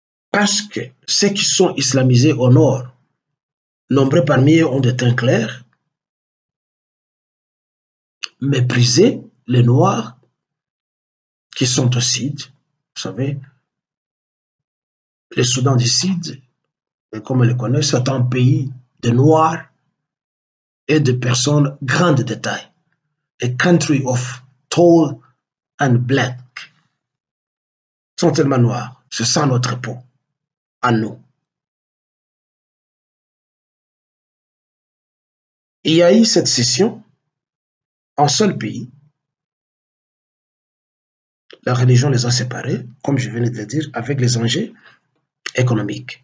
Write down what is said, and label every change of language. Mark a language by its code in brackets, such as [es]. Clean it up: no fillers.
[fr] Parce que ceux qui sont islamisés au Nord, nombreux parmi eux ont des teints clairs, méprisaient les Noirs qui sont au Sud. Vous savez, le Soudan du Sud, comme on le connaît, c'est un pays de Noirs et de personnes grandes de taille. [en] A country of tall and black. [fr] Ils sont tellement noirs, ce sont notre peau, à nous. Il y a eu cette scission, en seul pays. La religion les a séparés, comme je venais de le dire, avec les enjeux économiques.